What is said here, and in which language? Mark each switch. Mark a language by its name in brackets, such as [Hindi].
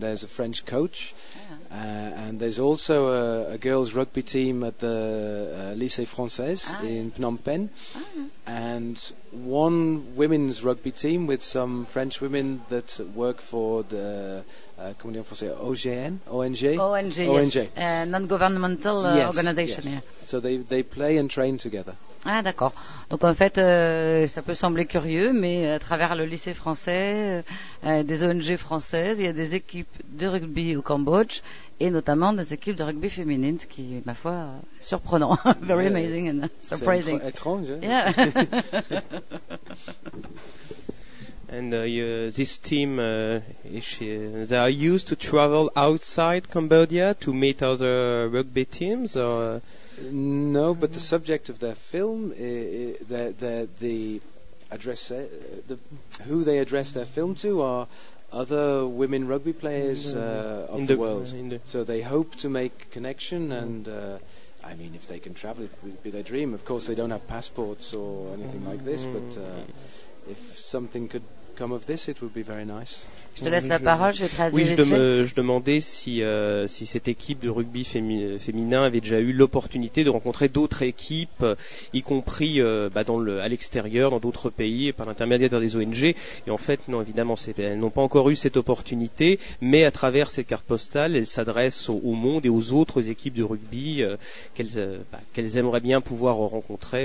[English] There's a French coach, and there's also a girls' rugby team at the Lycée Français in Phnom Penh, and one women's rugby team with some French women that work for the [French] comment on français, ONG, [English] non-governmental organization. Yes. Yeah. So they play and train together. [French] Ah d'accord. Donc en fait, ça peut sembler curieux, mais à travers le lycée français, des ONG françaises, il y a des équipes de rugby au Cambodge, et notamment des équipes de rugby féminines, ce qui est, ma foi, surprenant. [English] Very amazing and surprising. [French] C'est étrange. Hein? [English] Yeah. And this team, they are used to travel outside Cambodia to meet other rugby teams, or... No, but the subject of their film, who they address their film to are other women rugby players of the world. So they hope to make connection, and I mean, if they can travel, it would be their dream. Of course, they don't have passports or anything like this, but if something could come of this, it would be very nice. [French] Je te laisse la parole, je traduis. Oui, je demandais si cette équipe de rugby féminin avait déjà eu l'opportunité de rencontrer d'autres équipes, y compris à l'extérieur, dans d'autres pays, par l'intermédiaire des ONG. Et en fait, non, évidemment, elles n'ont pas encore eu cette opportunité, mais à travers cette carte postale, elles s'adressent au monde et aux autres équipes de rugby qu'elles aimeraient bien pouvoir rencontrer.